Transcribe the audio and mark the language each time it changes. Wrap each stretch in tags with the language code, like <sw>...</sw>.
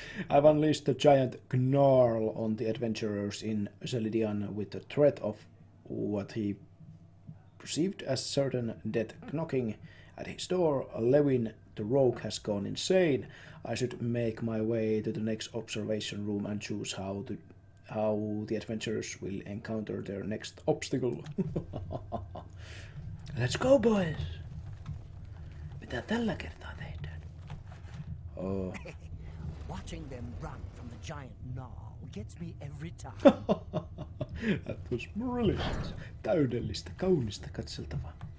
<en>I've unleashed the giant gnarl on the adventurers in Zelidian with the threat of what he perceived as certain death knocking at his door. Lewin the rogue has gone insane. I should make my way to the next observation room and choose how the adventurers will encounter their next obstacle. Let's go, boys!</en> <fi>Mitä tällä kertaa tehdään?</fi> <en>Oh. Watching them run from the giant gnarl gets me every time. That was brilliant.</en> <fi>Täydellistä, kaunista katseltavaa.</fi>